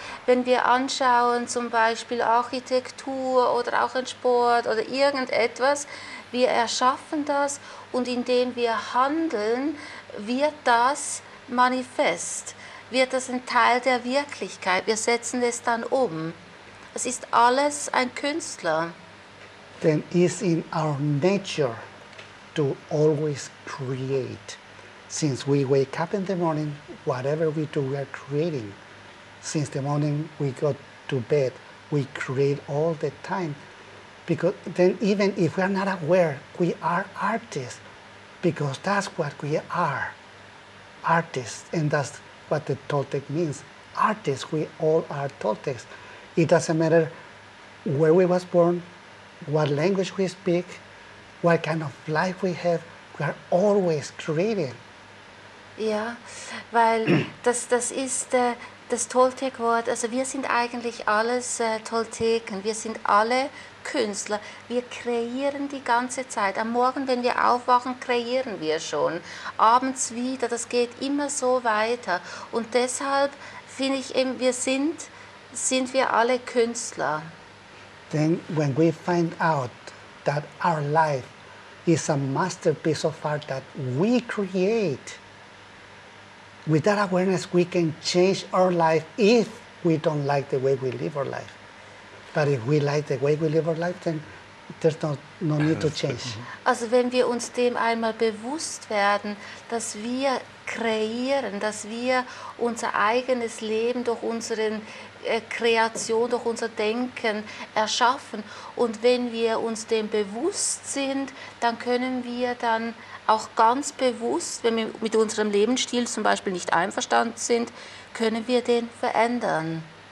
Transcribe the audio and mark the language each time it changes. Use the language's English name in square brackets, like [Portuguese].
[German] Wenn wir anschauen, zum Beispiel Architektur oder auch ein Sport oder irgendetwas, wir erschaffen das, und indem wir handeln, wird das manifest, wird das ein Teil der Wirklichkeit, wir setzen es dann um. Es ist alles ein Künstler. [English] Then it's in our nature to always create. Since we wake up in the morning, whatever we do, we are creating. Since the morning we go to bed, we create all the time. Because then even if we are not aware, we are artists. Because that's what we are, artists. And that's what the Toltec means. Artists, we all are Toltecs. It doesn't matter where we was born, what language we speak, what kind of life we have, we are always creating. [German] Ja, weil das ist das Toltec-Wort, also wir sind eigentlich alles Tolteken, wir sind alle Künstler. Wir kreieren die ganze Zeit. Am Morgen, wenn wir aufwachen, kreieren wir schon. Abends wieder, das geht immer so weiter. Und deshalb finde ich eben, sind wir alle Künstler. [English] Then when we find out that our life is a masterpiece of art that we create, with that awareness, we can change our life if we don't like the way we live our life. But if we like the way we live our life, then there's no need to change. [German] Also wenn wir uns dem einmal bewusst werden, dass wir kreieren, dass wir unser eigenes Leben durch unsere Kreation, durch unser Denken erschaffen. Und wenn wir uns dem bewusst sind, dann können wir dann auch ganz bewusst, wenn wir mit unserem Lebensstil zum Beispiel nicht einverstanden sind, können wir den verändern.